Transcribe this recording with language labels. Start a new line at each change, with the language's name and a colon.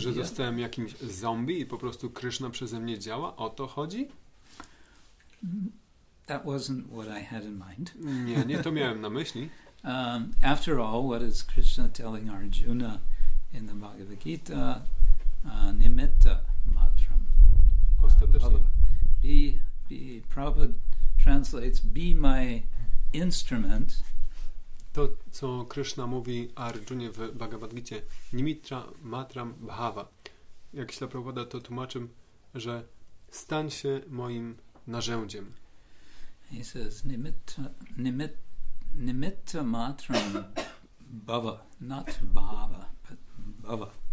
Polish: Że zostałem jakimś zombie i po prostu Krishna przeze mnie działa? O to chodzi?
English: That wasn't what I had in mind.
Polish: Nie, nie to miałem na myśli.
English: After all, what is Krishna telling Arjuna in the Bhagavad Gita?
Sanskrit: Nimitta matram.
Polish: Ostatecznie.
English: Be Prabhupada translates, be my instrument.
Polish: To, co Krishna mówi Arjunie w Bhagavad Gita,
Sanskrit: nimitra matram bhava.
Polish: Jak Śla Prabhupada to tłumaczy, że stań się moim narzędziem.
English: He says,
Sanskrit: nimitta matram bhava,
English: not bhava, but bhava.